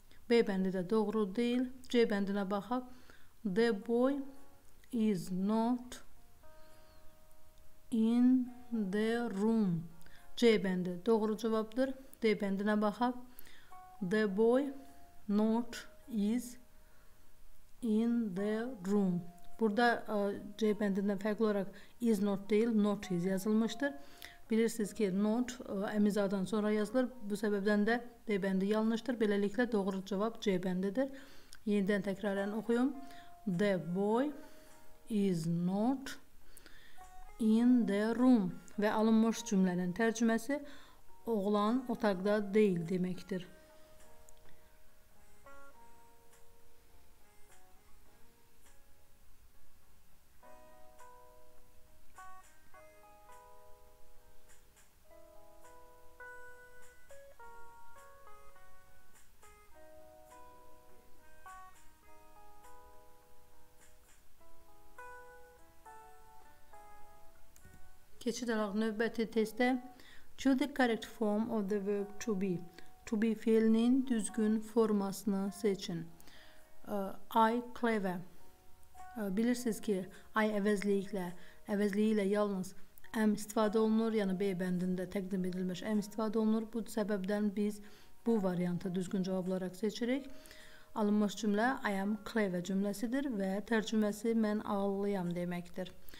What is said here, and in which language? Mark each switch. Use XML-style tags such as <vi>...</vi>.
<az>B bəndi də doğru deyil. C bəndinə baxaq.</az> <en>The boy is not in the room.</en> <az>C bəndi doğru cavabdır. D bəndinə baxaq.</az> <en>The boy not is in the room.</en> <az>Burada C bəndindən fərqli olaraq is not deyil, not is yazılmışdır. Bilirsiniz ki, not əmizadan sonra yazılır. Bu səbəbdən də D bəndi yanlışdır. Beləliklə, doğru cavab C bəndidir. Yenidən təkrarən oxuyum.</az> <en>The boy is not in the room.</en> <az>Və alınmış cümlənin tərcüməsi oğlan otaqda deyil deməkdir. Keçid alaq növbəti testdə.</az> <en>Choose the correct form of the verb to be.</en> <az>To be fiilinin düzgün formasını seçin.</az> <en>I clever.</en> <az>Bilirsiniz ki, I əvəzliyi ilə yalnız am istifadə olunur, yəni B bəndində təqdim edilmiş am istifadə olunur. Bu səbəbdən biz bu variantı düzgün cavab olaraq seçirik. Alınmış cümlə</az> <en>I am clever</en> <az>cümləsidir və tərcüməsi mən ağıllıyam deməkdir.</az>